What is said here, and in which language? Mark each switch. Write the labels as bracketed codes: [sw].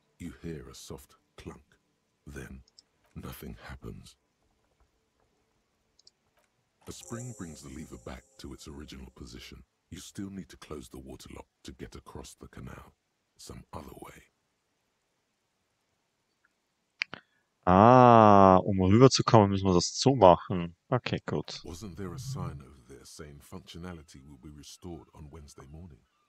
[en] You hear a soft clunk. Then nothing happens. A spring brings the lever back to its original position. You still need to close the waterlock to get across the canal. Some other way. [de] Ah, um rüberzukommen, müssen wir das so machen. Okay, gut. [en] Wasn't there a sign over there saying functionality will be restored on Wednesday morning?